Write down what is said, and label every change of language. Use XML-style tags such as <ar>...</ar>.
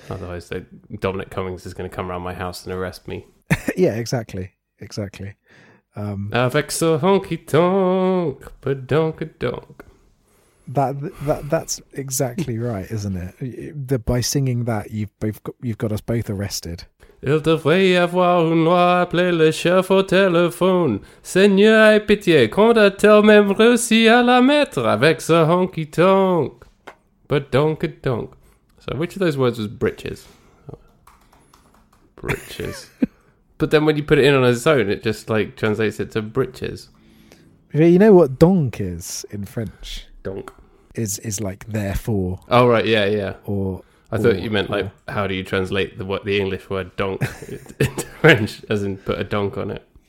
<en>Otherwise, Dominic Cummings is going to come around my house and arrest me. Yeah, exactly. Exactly.</en> <fr>Avec ce honky tonk, badonkadonk.</fr> <en>That's exactly right, isn't it? By singing that, you've got us both arrested.</en> <fr>Il devrait y avoir une loi appelée le chef au téléphone. Seigneur, aie pitié, quand a-t-elle même réussi à la mettre avec ce honky tonk, badonkadonk.</fr> <en>So, which of those words was britches? Britches. But then when you put it in on its own, it just like translates it to britches. You know what donk is in French? Donk. Is like therefore. Oh, right. Yeah, yeah. Or I thought you meant like, how do you translate the English word donk into French, as in put a donk on it?</en>